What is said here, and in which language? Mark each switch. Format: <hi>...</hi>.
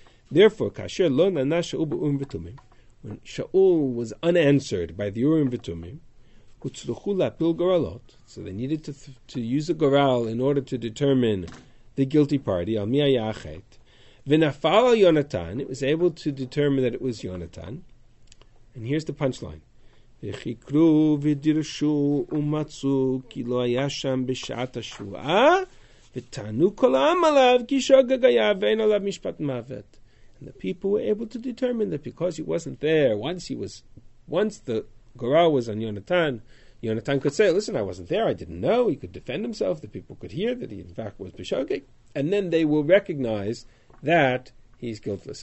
<en>Therefore,</en> <he>kasher lo nana Shaul b'urim v'tumim,</he> <en>when Shaul was unanswered by the Urim v'tumim,</en> <he>hutzluchu la'pil goralot,</he> <en>so they needed to use a goral in order to determine the guilty party,</en> <he>al mi ayachet, v'nafal al Yonatan,</he> <en>it was able to determine that it was Yonatan. And here's the punchline.</en> <he>וחיקרו ודרשו ומצאו כי לא היה שם בשעת השבועה, וטענו כל העם עליו כי שוגג היה ואין עליו משפט מוות.</he> <en>And the people were able to determine that because he wasn't there, once the goral was on Yonatan, Yonatan could say, listen, I wasn't there, I didn't know, he could defend himself, the people could hear that he in fact was b'shogeg, and then they will recognize that he's guiltless.</en>